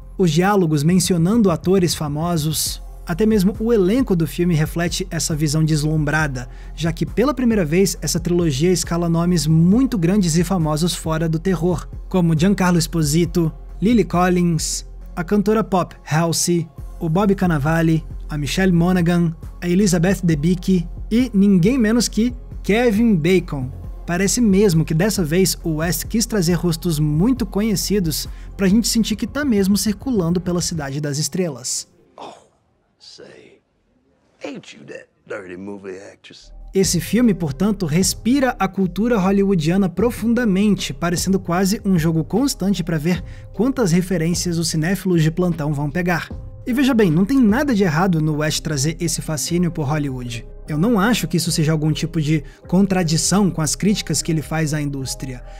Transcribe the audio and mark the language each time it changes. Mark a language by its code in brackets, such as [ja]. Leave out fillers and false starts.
[pt] os diálogos mencionando atores famosos, até mesmo o elenco do filme reflete essa visão deslumbrada, já que pela primeira vez essa trilogia escala nomes muito grandes e famosos fora do terror, como Giancarlo Esposito, Lily Collins, a cantora pop Halsey, o Bob Cannavale, a Michelle Monaghan, a Elizabeth Debicki e ninguém menos que Kevin Bacon. Parece mesmo que dessa vez o West quis trazer rostos muito conhecidos pra gente sentir que tá mesmo circulando pela Cidade das Estrelas. [en] Oh, say, ain't you that dirty movie actress? [pt] Esse filme, portanto, respira a cultura hollywoodiana profundamente, parecendo quase um jogo constante pra ver quantas referências os cinéfilos de plantão vão pegar. E veja bem, não tem nada de errado no West trazer esse fascínio por Hollywood. Eu não acho que isso seja algum tipo de contradição com as críticas que ele faz à indústria.